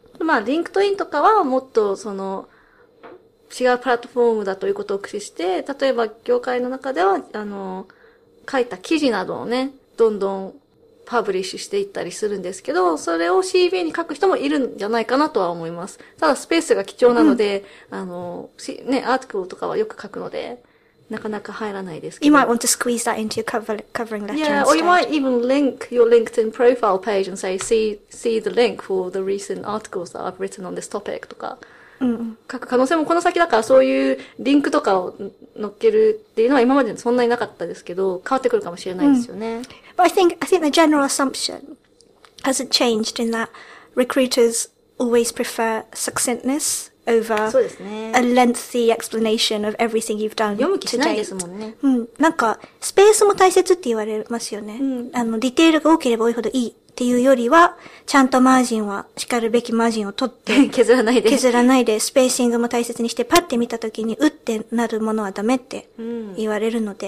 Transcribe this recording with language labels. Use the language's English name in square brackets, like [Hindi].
[Japanese] まあ、LinkedInとかはもっと、違うプラットフォームだということを駆使して、例えば業界の中では、書いた記事などをね、どんどんパブリッシュしていったりするんですけど、それを CV に書く人もいるんじゃないかなとは思います。ただスペースが貴重なので、うん、ね、アーティクルとかはよく書くので、なかなか入らないですけど。 [English] You might want to squeeze that into your covering letter. Yeah, or you might even link your LinkedIn profile page and say, see the link for the recent articles that I've written on this topic [Japanese] とか。うん、書く可能性もこの先だからそういうリンクとかを載っけるっていうのは今までそんなになかったですけど変わってくるかもしれないですよね。うん、 [English] But I think the general assumption hasn't changed in that recruiters always prefer succinctness over、 [Japanese] ね、 [English] a lengthy explanation of everything you've done. [Japanese] 読む気しないですもんね。うん、なんかスペースも大切って言われますよね。うん、ディテールが多ければ多いほどいい。っていうよりは、ちゃんとマージンは、しかるべきマージンを取って、削らないで、スペーシングも大切にして、パッて見た時に、うってなるものはダメって言われるので、